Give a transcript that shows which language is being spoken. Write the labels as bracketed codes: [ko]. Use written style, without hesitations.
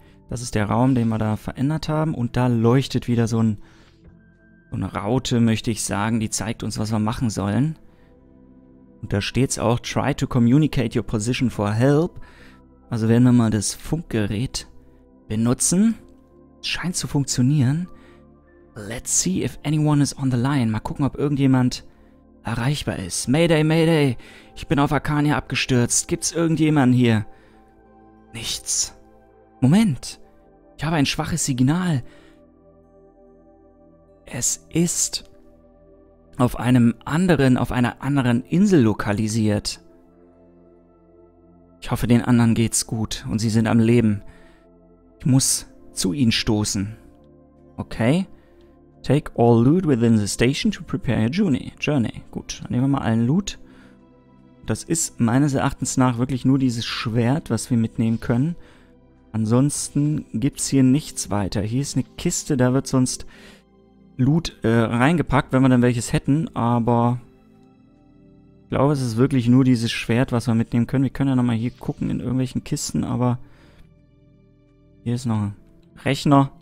[de] Das ist der Raum, den wir da verändert haben. Und da leuchtet wieder so eine Raute, möchte ich sagen. Die zeigt uns, was wir machen sollen. Und da steht es auch, [en] try to communicate your position for help. [de] Also werden wir mal das Funkgerät benutzen. Scheint zu funktionieren. [en] Let's see if anyone is on the line. [de] Mal gucken, ob irgendjemand erreichbar ist. Mayday, Mayday. Ich bin auf Arcania abgestürzt. Gibt's irgendjemanden hier? Nichts. Moment, ich habe ein schwaches Signal. Es ist auf einer anderen Insel lokalisiert. Ich hoffe, den anderen geht's gut und sie sind am Leben. Ich muss zu ihnen stoßen. Okay. [en] Take all loot within the station to prepare your journey. [de] Gut, dann nehmen wir mal allen Loot. Das ist meines Erachtens nach wirklich nur dieses Schwert, was wir mitnehmen können. Ansonsten gibt's hier nichts weiter. Hier ist eine Kiste, da wird sonst Loot reingepackt, wenn wir dann welches hätten. Aber ich glaube, es ist wirklich nur dieses Schwert, was wir mitnehmen können. Wir können ja nochmal hier gucken in irgendwelchen Kisten, aber hier ist noch ein Rechner.